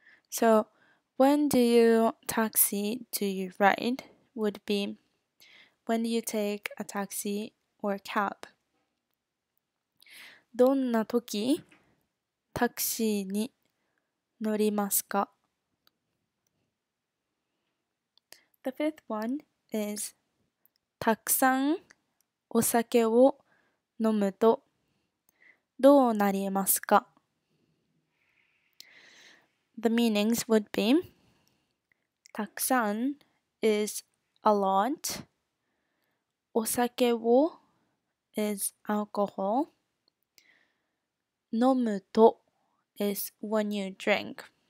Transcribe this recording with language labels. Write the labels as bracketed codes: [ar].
[en] So, when do you taxi, do you ride would be,When do you take a taxi or a cab? [ja] どんな時タクシーに乗りますか? [en] The fifth one is [ja] たくさんお酒を飲むとどうなりますか? [en] The meanings would be たくさん is a lot. お酒を is alcohol. 飲むと is when you drink.